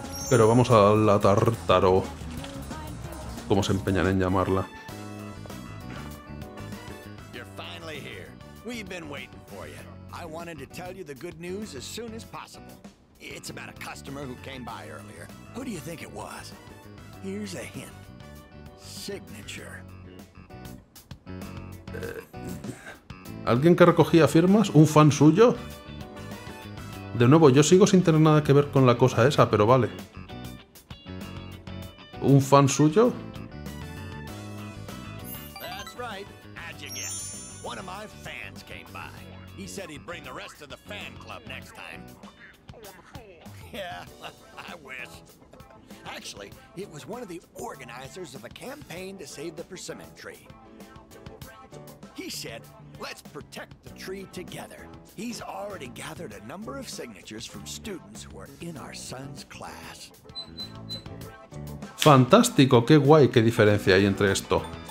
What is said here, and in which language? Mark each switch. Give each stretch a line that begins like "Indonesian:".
Spanish: Pero vamos a la Tartaro, como se empeñan en llamarla.
English: You're finally here. We've been waiting for you. I wanted to tell you the good news as soon as possible. It's about a customer who came by earlier. Who do you think it was? Here's a hint. Signature.
Spanish: ¿Alguien que recogía firmas? ¿Un fan suyo? De nuevo, yo sigo sin tener nada que ver con la cosa esa, pero vale. ¿Un fan suyo?
English: That's right. How'd you guess? One of my fans came by. He said he'd bring the rest of the fan club next time. Yeah, I wish. Actually, it was one of the organizers of a campaign to save the persimmon tree. He said, let's protect the tree together. He's already gathered a number of signatures from students who are in our son's class.
Spanish: Fantástico, qué guay, qué diferencia hay entre esto.